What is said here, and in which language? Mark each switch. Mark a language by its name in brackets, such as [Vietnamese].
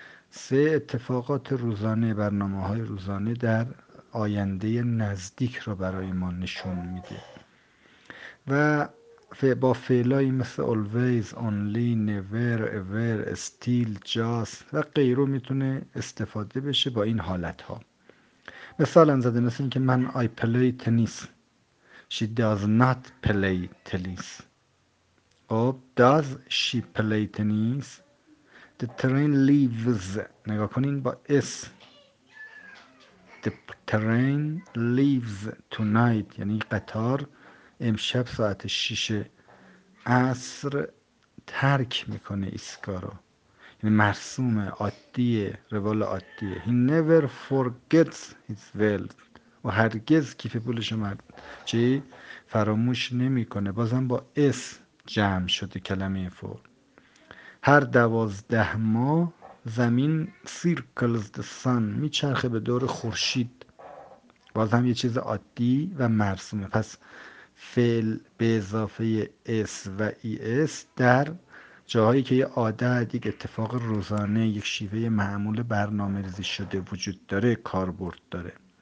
[Persian] سه، اتفاقات روزانه، برنامه های روزانه در آینده نزدیک را برای ما نشون میده. و با فعلایی مثل [English] always, only, never, ever, still, just [Persian] و غیره میتونه استفاده بشه با این حالت ها. مثال هم زده، مثل اینکه من [English] I play tennis. She does not play tennis. Does she play tennis? The train leaves. [Persian] نگاه کنین با اس. [English] The train leaves tonight. [Persian] یعنی قطار امشب ساعت 6 عصر ترک میکنه ایستگاه رو. یعنی مرسومه، عادیه، روال عادیه. [English] He never forgets his wealth. [Persian] و هرگز کیف پولش رو چی؟ فراموش نمیکنه. بازم با اس جمع شده کلمه فور. هر 12 ماه زمین [English] circles the sun، [Persian] میچرخه به دور خورشید. باز هم یه چیز عادی و مرسومه. پس فعل به اضافه اس و ای اس در جاهایی که یه عادت، یک اتفاق روزانه، یک شیوه معمول برنامه ریزی شده وجود داره کاربرد داره.